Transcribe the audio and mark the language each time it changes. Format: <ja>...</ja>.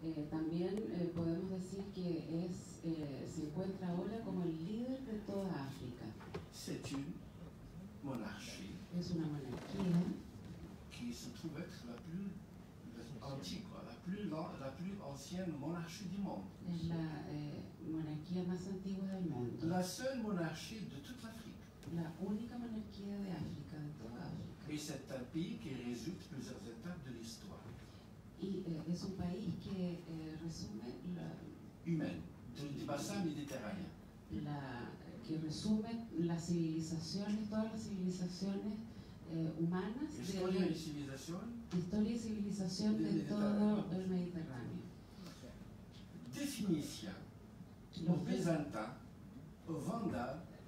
<es>También podemos decir que es se encuentra ahora como el líder de toda África.</es> <fr>C'est une monarchie.</fr> <es>Es una monarquía.</es> <fr>Qui se trouve être la plus antique, la plus ancienne monarchie du monde.</fr> <es>Es la monarquía más antigua del mundo.</es> <fr>La seule monarchie de toute l'Afrique.</fr> <es>La única monarquía de África, de toda África.</es> <fr>Et c'est un pays qui résulte plusieurs étapes de l'histoire.</fr> <es>Y es un país que resume la</es> <fr>humaine, du bassin méditerranéen.</fr> <es>La que resume las civilizaciones, todas las civilizaciones humanas. Historia y civilización. Historia y civilización de todo el Mediterráneo. Definición. Los bizantinos, los vándalos,</es>